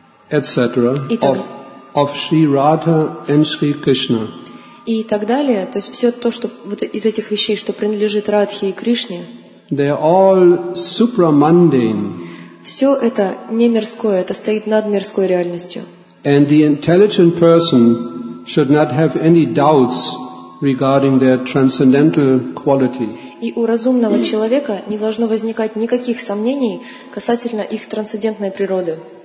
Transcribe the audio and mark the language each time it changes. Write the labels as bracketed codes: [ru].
[en] etc. Of Sri Radha and Sri Krishna. [ru] И так далее, то есть все то, что вот из этих вещей, что принадлежит Радхе и Кришне. [en] They are all supramundane. [ru] Все это не мирское, это стоит над мирской реальностью. [en] And the intelligent person should not have any doubts regarding their transcendental quality. [ru] И у разумного человека не должно возникать никаких сомнений касательно их трансцендентной природы.